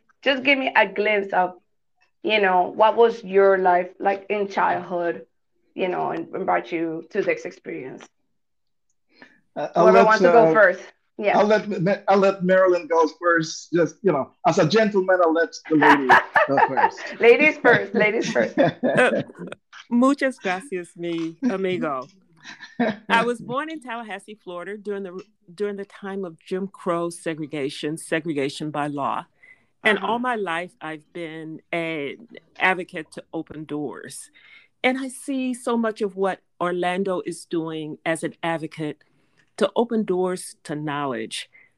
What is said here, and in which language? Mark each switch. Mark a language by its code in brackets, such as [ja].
[en] Just give me a glimpse of, you know, what was your life like in childhood, you know, and brought you to this experience. Whoever wants to go first. Yeah. I'll let Marilyn go first. Just, you know, as a gentleman, I'll let the lady go first. Ladies first. [es] Muchas gracias, mi amigo. [en] I was born in Tallahassee, Florida during the time of Jim Crow segregation by law. And All my life, I've been an advocate to open doors. And I see so much of what Orlando is doing as an advocate to open doors to knowledge.